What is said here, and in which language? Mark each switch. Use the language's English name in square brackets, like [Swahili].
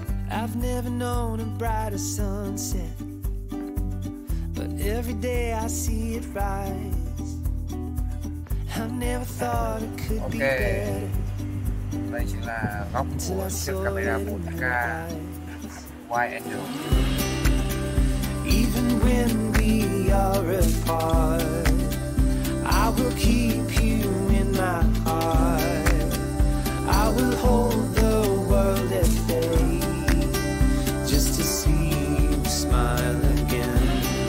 [English] I've never known a brighter sunset, but every day I see it rise. I never thought it could be better. [Vietnamese] Đây chính là góc của chiếc camera 4K wide angle. [English] Even when we are apart, I will keep you in my heart. I will hold the world at bay just to see you smile again.